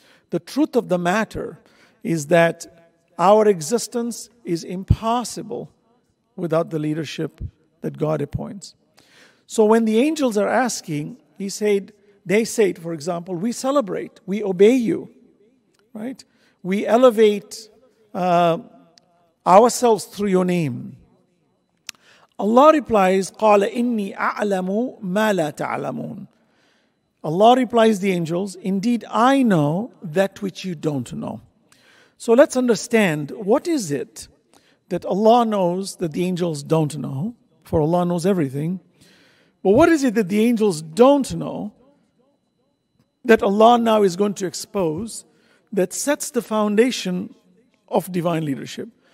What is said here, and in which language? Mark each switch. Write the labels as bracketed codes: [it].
[en] The truth of the matter is that our existence is impossible without the leadership that God appoints. So when the angels are asking, they said, for example, we celebrate, we obey you, right? We elevate ourselves through your name. Allah replies, [ar] قَالَ إِنِّي أَعْلَمُ مَا لَا تَعْلَمُونَ. [en] Allah replies the angels, indeed I know that which you don't know. So let's understand, what is it that Allah knows that the angels don't know? For Allah knows everything. But what is it that the angels don't know that Allah now is going to expose that sets the foundation of divine leadership?